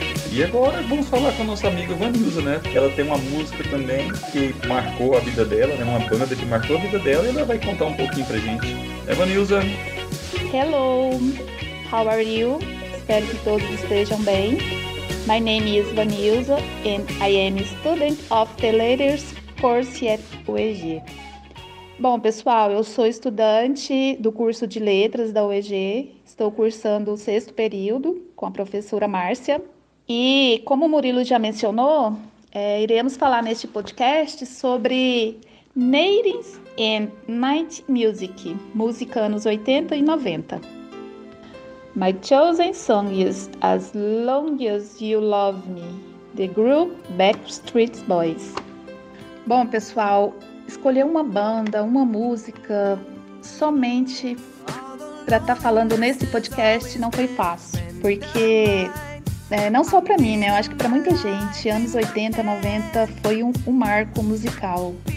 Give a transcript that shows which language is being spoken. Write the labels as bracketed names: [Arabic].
[Portuguese] E agora vamos falar com a nossa amiga Vanusa, né? Ela tem uma música também que marcou a vida dela, né? Uma banda que marcou a vida dela, e ela vai contar um pouquinho pra gente. É, Vanusa? [English] Hello, how are you? [Portuguese] Espero que todos estejam bem. [English] My name is Vanusa and I am a student of the Letters course at UEG. [Portuguese] Bom, pessoal, eu sou estudante do curso de Letras da UEG. Estou cursando o sexto período com a professora Márcia. E como o Murilo já mencionou, iremos falar neste podcast sobre Natives and Night Music, música anos 80 e 90. [English] My chosen song is As Long As You Love Me, the group Backstreet Boys. [Portuguese] Bom, pessoal, escolher uma banda, uma música, somente para estar falando nesse podcast não foi fácil, porque... não só pra mim, né? Eu acho que pra muita gente, anos 80, 90 foi um marco musical.